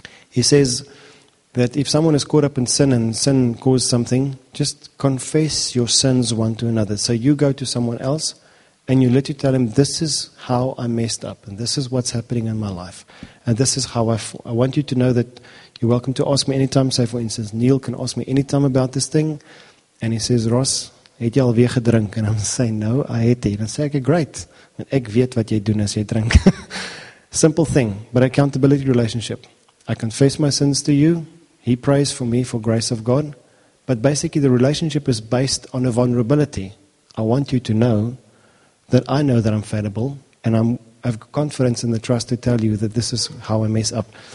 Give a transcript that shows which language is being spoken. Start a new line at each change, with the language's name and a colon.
English: He says that if someone is caught up in sin and sin caused something, just confess your sins one to another. So you go to someone else and you literally tell him, this is how I messed up and this is what's happening in my life. And this is how I want you to know that you're welcome to ask me anytime. Say, for instance, Neil can ask me anytime about this thing. And he says, Ross,
Afrikaans: het jy alweer gedrink?
English: And I'm saying, no, I het jy. And I say, okay, great.
Afrikaans: And ek weet wat jy doen as jy drink.
English: Simple thing, but accountability relationship. I confess my sins to you. He prays for me for grace of God. But basically, the relationship is based on a vulnerability. I want you to know that I know that I'm fallible. And I have confidence in the trust to tell you that this is how I mess up.